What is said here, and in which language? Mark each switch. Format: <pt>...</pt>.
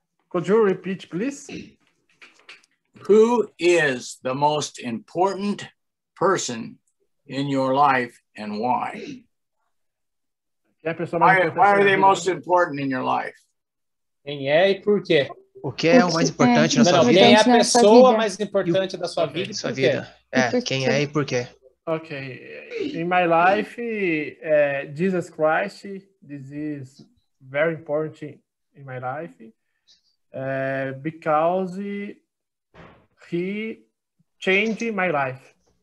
<en>Could you repeat, please? Who is the most important person in your life and why? Why are they most important in your life?</en> <pt>Quem é e por quê? O que é o mais importante na sua vida? Quem é a pessoa mais importante da sua vida? Sua vida. É, quem é e por quê? Ok.</pt> <en>In my life, Jesus Christ, this is very important in my life, because he changed my life.</en>